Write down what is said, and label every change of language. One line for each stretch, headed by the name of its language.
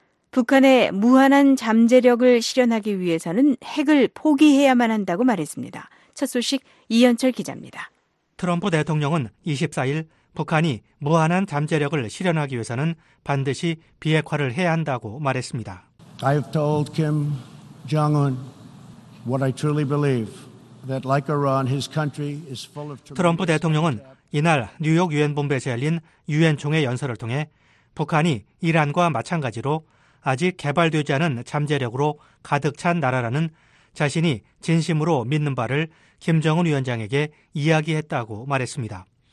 Korean: 북한의 무한한 잠재력을 실현하기 위해서는 핵을 포기해야만 한다고 말했습니다. 첫 소식 이현철 기자입니다. 트럼프 대통령은 24일 북한이 무한한 잠재력을 실현하기 위해서는 반드시 비핵화를 해야 한다고 말했습니다.
English: I have told Kim Jong-un what I truly believe that like Iran his country is full of
Korean: 트럼프 대통령은 이날 뉴욕 유엔 본부에서 열린 유엔 총회 연설을 통해 북한이 이란과 마찬가지로 아직 개발되지 않은 잠재력으로 가득 찬 나라라는 자신이 진심으로 믿는 바를 김정은 위원장에게 이야기했다고 말했습니다.